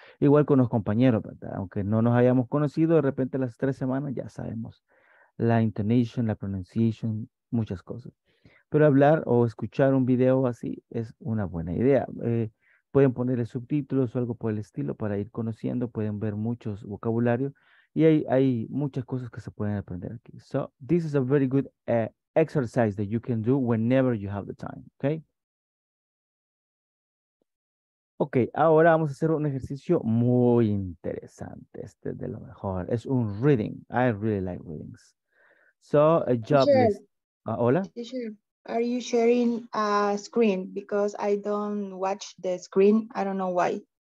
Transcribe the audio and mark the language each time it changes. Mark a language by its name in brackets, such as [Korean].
[Spanish] Igual con los compañeros, ¿verdad? Aunque no nos hayamos conocido, de repente las 3 semanas ya sabemos la intonation, la pronunciation, muchas cosas. Pero hablar o escuchar un video así es una buena idea. Pueden ponerle subtítulos o algo por el estilo para ir conociendo. Pueden ver muchos vocabulario y hay muchas cosas que se pueden aprender aquí. [English] So, this is a very good exercise that you can do whenever you have the time, okay? [Spanish] Okay, ahora vamos a hacer un ejercicio muy interesante. Este es de lo mejor. Es un reading. [English] I really like readings. So, a job teacher, list. Hola? Are you sharing a screen? Because I don't watch the screen. I don't know why.